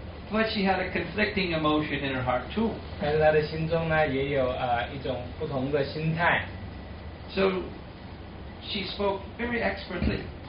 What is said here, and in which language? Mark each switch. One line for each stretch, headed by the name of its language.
English: But she had a conflicting emotion in her heart too.
Chinese: 但是她的心中呢，也有一种不同的心态。
English: So she spoke very expertly.